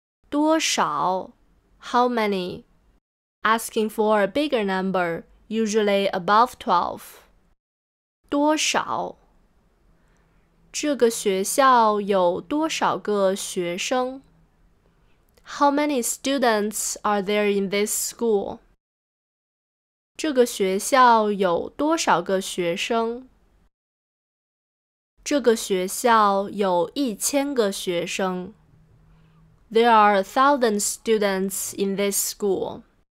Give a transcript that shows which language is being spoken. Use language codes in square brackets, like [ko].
[zh] 多少？ [en] How many? Asking for a bigger number, usually above 12. [zh] 多少？这个学校有多少个学生？ [en] How many students are there in this school? [zh] 这个学校有多少个学生？这个学校有一千个学生。 [en] There are 1,000 students in this school.